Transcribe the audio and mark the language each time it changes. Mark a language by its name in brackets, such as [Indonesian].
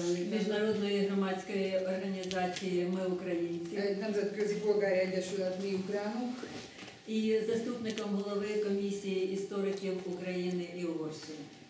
[Ukrainian] Международної громадської організації «Ми українці». [Hungarian] Egy nemzetközi polgári egyesület «Mi ukránok». [Ukrainian] І заступником голови комісії істориків України і Угорщини.